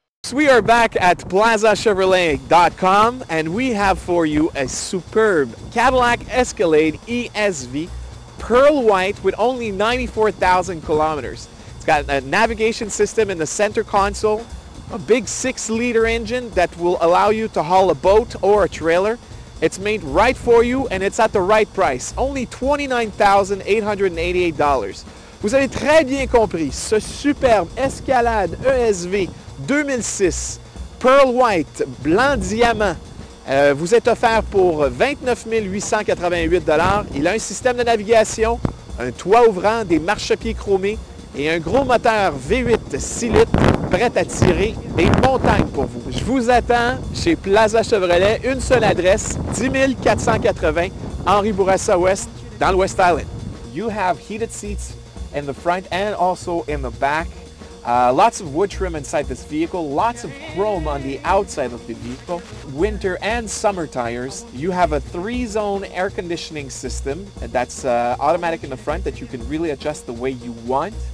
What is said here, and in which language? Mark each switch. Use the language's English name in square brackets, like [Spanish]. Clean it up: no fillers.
[English] We are back at PlazaChevrolet.com and we have for you a superb Cadillac Escalade ESV, pearl white with only 94,000 kilometers. It's got a navigation system in the center console, a big 6-liter engine that will allow you to haul a boat or a trailer. It's made right for you and it's at the right price, only $29,888. [French] Vous avez très bien compris, ce superbe Escalade ESV 2006, pearl white, blanc diamant, vous êtes offert pour $29,888. Il a un système de navigation, un toit ouvrant, des marchepieds chromés et un gros moteur V8 6 litres prêt à tirer des montagnes pour vous. Je vous attends chez Plaza Chevrolet, une seule adresse, 10480 Henri Bourassa Ouest, dans l'Ouest Island. [English] You have heated seats in the front and also in the back. Lots of wood trim inside this vehicle, lots of chrome on the outside of the vehicle, winter and summer tires. You have a three-zone air conditioning system that's automatic in the front that you can really adjust the way you want.